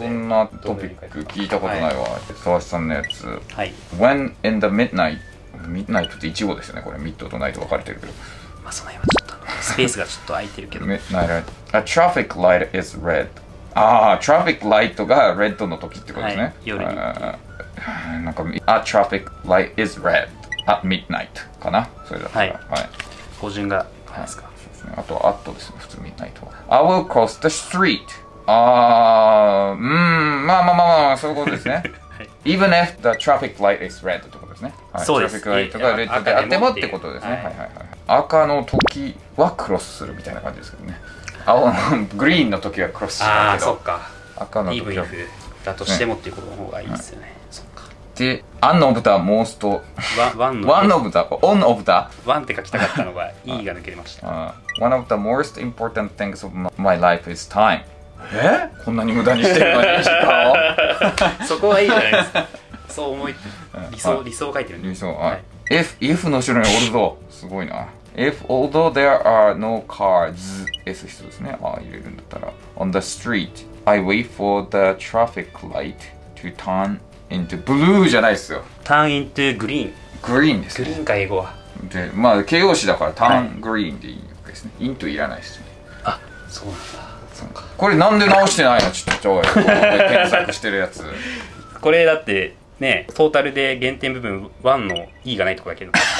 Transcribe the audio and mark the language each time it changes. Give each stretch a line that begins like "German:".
Japanese: そんなトピック聞いたことないわ、沢下さんのやつ、はい、
English: When in the midnight、
Japanese: ミッドナイトって1号ですよね、これミッドとナイト分かれてるけど、まあその辺はちょっとスペースがちょっと空いてるけど
English: Midnight. A traffic light is red。
Japanese: ああ、トラフィックライトがレッドの時ってことですね。はい、夜に。なんか、
English: A traffic light is red at midnight
Japanese: かな、それだったら。はい。語、はい、順が何ですか、はい、そうですね。あと、アットですね、普通、midnight は。
English: I will cross the street.
Japanese: まあまあまあまあ、そういうことですね。はい、
English: Even if the traffic light is red
Japanese: ってことですね。はい、そうです。トラフィックライトがレッドであってもってことですね。はいはいはい。赤の時はクロスするみたいな感じですけどね。青のグリーンの時はクロスしないけど、あそっか、赤の時はイブイブだとしてもっていうことの方がいいですよね、はい、そっか。で、アンのオブタはモーストワンのオブタ、オンのオブタ、ワンって書きたかったのがE が抜けました。
English: One of the most important things of my life is time。
Japanese: え、こんなに無駄にしてるのに時間をそこはいいじゃないですか、そう思い、理想、理想を書いてるんで、理想、はい、If の後ろにオルド、すごいな。
English: If although there are no cars、
Japanese: S 必要ですね、あ入れるんだったら、
English: On the street I wait for the traffic light to turn into blue
Japanese: じゃないですよ、
English: turn into green、
Japanese: green ですね、グリーンか英語は。で、まあ形容詞だから
English: turn green
Japanese: でいいわけですね、 into いらないですね。あ、そうなんだ、そうか。これなんで直してないの、ちょっとちょい検索してるやつこれだってね、トータルで原点部分1の E がないとこだけど